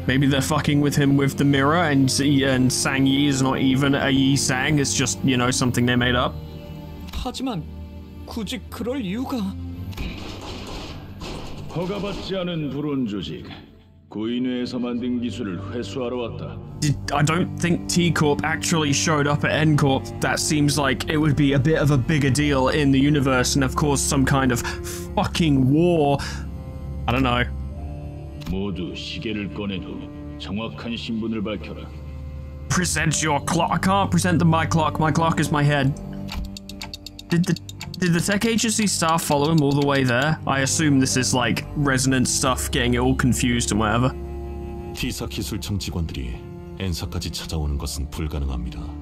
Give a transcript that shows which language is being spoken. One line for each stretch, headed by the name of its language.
English: Maybe they're fucking with him with the mirror and Sang-yi is not even a Yisang. It's just, you know, something they made up.
Korean: 하지만 굳이 그럴 이유가... 허가받지 않은 불운 조직. 구인회에서 만든 기술을 회수하러 왔다.
English: I don't think T-Corp actually showed up at N-Corp. That seems like it would be a bit of a bigger deal in the universe and of course some kind of fucking war. I don't know.
Korean: 모두 시계를 꺼낸 후 정확한 신분을 밝혀라.
English: Present your clock. I can't present them my clock. My clock is my head. Did the tech agency staff follow him all the way there? I assume this is like resonant stuff getting it all confused and whatever.
Korean: T-사 기술청 직원들이 엔사까지 찾아오는 것은 불가능합니다.